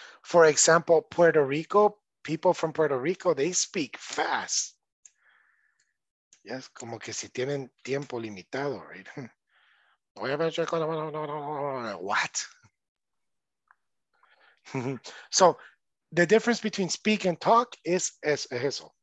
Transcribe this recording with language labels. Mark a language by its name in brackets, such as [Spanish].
[English] For example, Puerto Rico, people from Puerto Rico, they speak fast. [Spanish] Yes, como que si tienen tiempo limitado, right? [English] What? So the difference between speak and talk is eso.